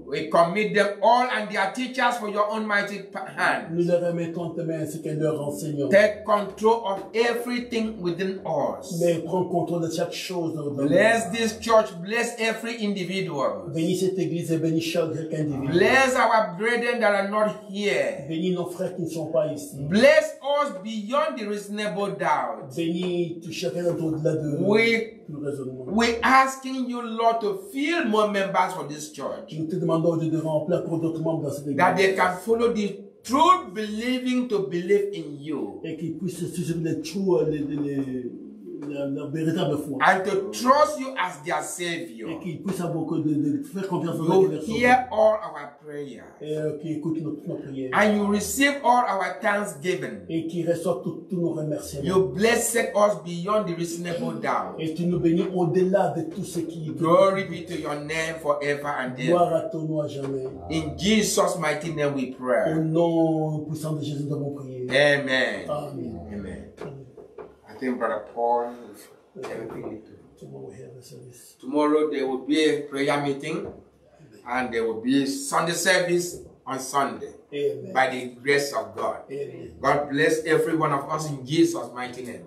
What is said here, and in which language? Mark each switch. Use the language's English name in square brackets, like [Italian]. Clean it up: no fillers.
[English] we commit them all and their teachers for your own mighty hand. [French] Nous leur remettons tes mains ainsi que leurs enseignants. [English] Take control of everything within us. [French] Mais prends contrôle de chaque chose dans nous. [English] Bless this church, bless every individual. [French] Bénis cette église et bénis chaque individu. [English] Bless our brethren that are not here. [French] Bénis nos frères. [English] Bless us beyond the reasonable doubt. [French] Bénis tout chacun au-delà de tout raisonnement. [English] We asking you, Lord, to fill more members for this church. [French] Nous te demandons de remplir pour d'autres membres dans cette église. [English] That they can follow the truth, believing to believe in you. [French] Et qu'ils puissent suivre les la véritable foi. [English] And to trust you as their savior. [French] Et qu'ils puissent avoir que de faire confiance en [English] toi. Hear all our prayers. [French] Et qu'ils écoutent toutes nos prières. [English] And you receive all our thanksgiving. [French] Et qu'ils reçoivent tous nos remerciements. [English] You bless us beyond the reasonable doubt. [French] Et tu nous bénis au-delà de tout ce qui. [English] Glory be to your name forever and ever. [French] Gloire à ton nom à jamais. [English] In Jesus' mighty name we pray. [French] Au nom puissant de Jésus, nous prions. [English] Amen. Amen. Amen. I think Brother Paul is everything to tomorrow we have the service. Tomorrow there will be a prayer meeting. Amen. And there will be a Sunday service on Sunday. Amen. By the grace of God. Amen. God bless every one of us in Jesus' mighty name.